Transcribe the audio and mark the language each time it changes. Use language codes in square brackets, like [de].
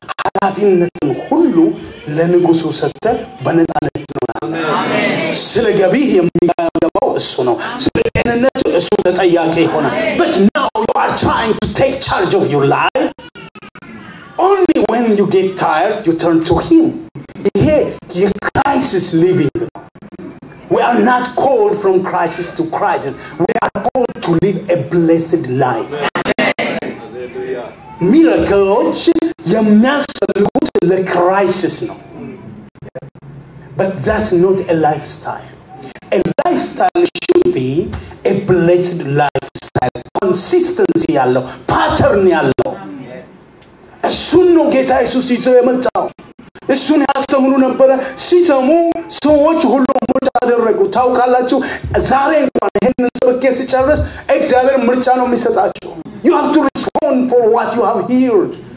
[am] ኃላፊነቱን ሁሉ ለንጉሱ ሰጠ በነፃነት ነው። አሜን። ስለ ገቢ የሚያገባው እሱ ነው። ስለ ጤንነቱ እሱ ተጠያቂ ይሆናል። [en] But now you are trying to take charge of your life. Only when you get tired you turn to him. Hey, a crisis living. We are not called from crisis to crisis. We are called to live a blessed life. [am] Miracles የሚያስፈልጉት ለክራይሲስ ነው. [en] But that's not a lifestyle. A lifestyle should be a blessed lifestyle. [am] Consistency ያለው pattern ያለው እሱን ነው ጌታ ኢየሱስ ይዘው የመጣው። እሱን ያስተምሩ ነበር። ሲሰሙ ሰዎች ሁሉ ምርጫ አደረጉ። ታውቃላችሁ ዛሬ እንኳን ይሄንን ሰበከ ሲጨርስ እግዚአብሔር ምርጫ ነው የሚሰጣችሁ። [en] you have to respond for what you have heard.